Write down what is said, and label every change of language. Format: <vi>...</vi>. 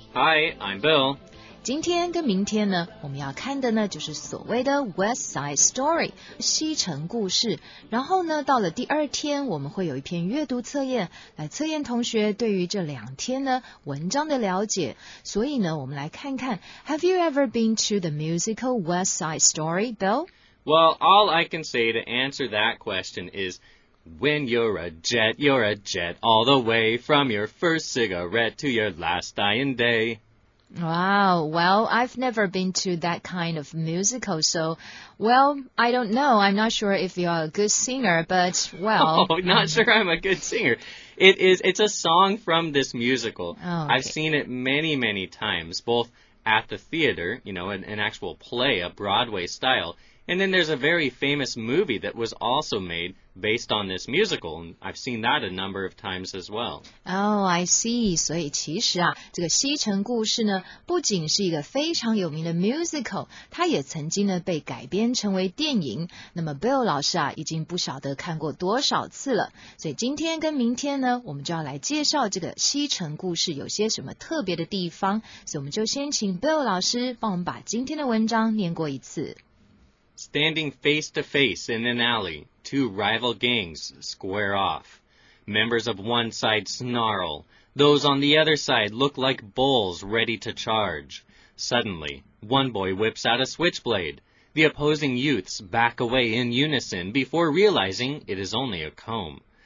<en>Hi, I'm Bill.</en> <zh>今天跟明天呢，我们要看的呢就是所谓的 West Side Story, 西城故事。然后呢到了第二天，我们会有一篇阅读测验来测验同学对于这两天呢文章的了解。所以呢我们来看看</zh> <en>Have you ever been to the musical West Side Story, Bill? Well, all I can say to answer that question is, when you're a jet all the way from your first cigarette to your last dying day. Wow, well, I've never been to that kind of musical, so, well, I don't know. I'm not sure if you're a good singer, but, well... Oh, not sure I'm a good singer. It's a song from this musical. Oh, okay. I've seen it many, many times, both at the theater, you know, an actual play, a Broadway style, and then there's a very famous movie that was also made... based on this musical, I've seen that a number of times as well. Oh, I see.</en> <zh>所以其实啊，这个西城故事呢，不仅是一个非常有名的 musical, 它也曾经呢被改编成为电影。那么 Bill 老师啊，已经不晓得看过多少次了。所以今天跟明天呢，我们就要来介绍这个西城故事有些什么特别的地方。所以我们就先请 Bill 老师帮我们把今天的文章念过一次。</zh> <en>Standing face to face in an alley, two rival gangs square off. Members of one side snarl. Those on the other side look like bulls ready to charge. Suddenly, one boy whips out a switchblade. The opposing youths back away in unison before realizing it is only a comb.</en>